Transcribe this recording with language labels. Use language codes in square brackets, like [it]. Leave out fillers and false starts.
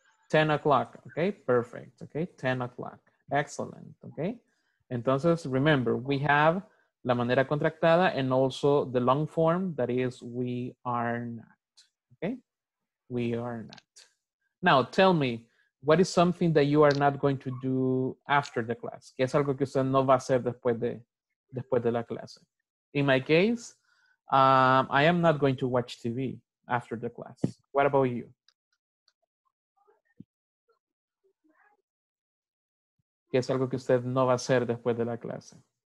[en] 10 o'clock, okay, perfect, okay, 10 o'clock, excellent, okay. [es] Entonces, [en] remember, we have [es] la manera contractada [en] and also the long form, that is, we are not, okay, we are not. Now, tell me, what is something that you are not going to do after the class? [es] ¿Qué es algo que usted no va a hacer después de? Después de la clase. [en] In my case, I am not going to watch TV after the class. What about you? [es] que es algo que usted no va a hacer después de la clase.